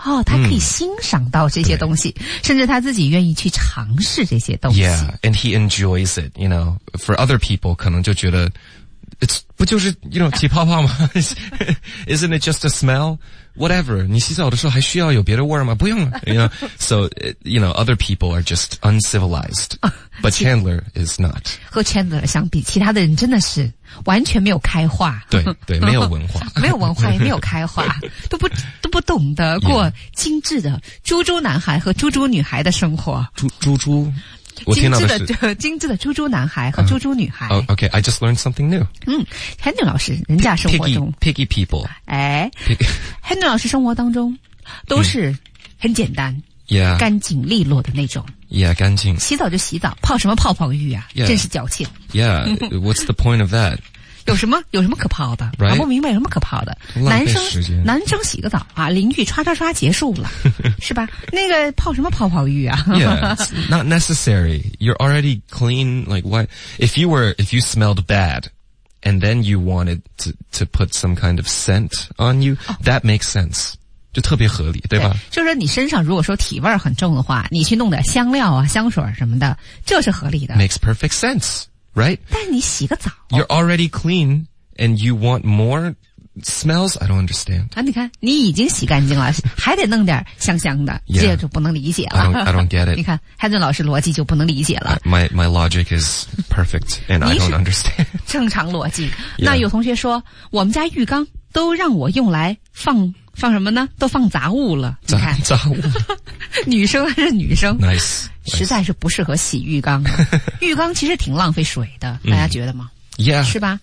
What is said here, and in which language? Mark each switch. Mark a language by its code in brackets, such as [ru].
[zh] 哦，他可以欣赏到这些东西，甚至他自己愿意去尝试这些东西。 [en] Yeah, and he enjoys it, you know. For other people, [zh] 可能就觉得 [en] it's [zh] 不就是 [en] you know [zh] 起泡泡吗？ [en] Isn't it just a smell? Whatever. [zh] 你洗澡的时候还需要有别的味儿吗？不用了。 [en] You know, so you know other people are just uncivilized, but Chandler is not. [zh] 和 Chandler 相比，其他的人真的是。完全没有开化，对对，没有文化，没有文化也没有开化，都不懂得过精致的猪猪男孩和猪猪女孩的生活。猪，我听到的是精致的猪猪男孩和猪猪女孩。 [en] OK, I just learned something new. [zh] 嗯 ，Henry 老师，人家生活中 [en] piggy people， [zh] 哎 ，Henry 老师生活当中都是很简单。 [en] Yeah. [zh] 干净利落的那种。 [en] Yeah, [zh] 干净。洗澡就洗澡，泡什么泡泡浴啊？ [en] Yeah. [zh] 真是矫情。 [en] Yeah, what's the point of that? [zh] 有什么可泡的？搞、 [en] right? [zh] 不明白什么可泡的。男生洗个澡啊，淋浴刷刷刷结束了，是吧？那个泡什么泡泡浴啊？ [en] Yeah, not necessary. You're already clean. Like what? If you smelled bad, and then you wanted to put some kind of scent on you,、oh. that makes sense. [zh] 就特别合理，对吧？就是说你身上如果说体味很重的话，你去弄点香料啊、香水什么的，这是合理的。 [en] Makes perfect sense, right? [zh] 但你洗个澡。 [en] You're already clean and you want more smells? I don't understand. [zh] 啊，你看，你已经洗干净了，还得弄点香香的， [en] yeah, [zh] 这就不能理解了。 [en] I don't get it. [zh] 你看，海顿老师逻辑就不能理解了。 [en] My logic is perfect and I don't understand. [zh] 正常逻辑。那有同学说，我们家浴缸都让我用来放什么呢？都放杂物了。你看，杂物，女生还是女生 [en] ？Nice， [zh] 实在是不适合洗浴缸。浴缸其实挺浪费水的，大家觉得吗 [en] ？Yeah， [zh] 是吧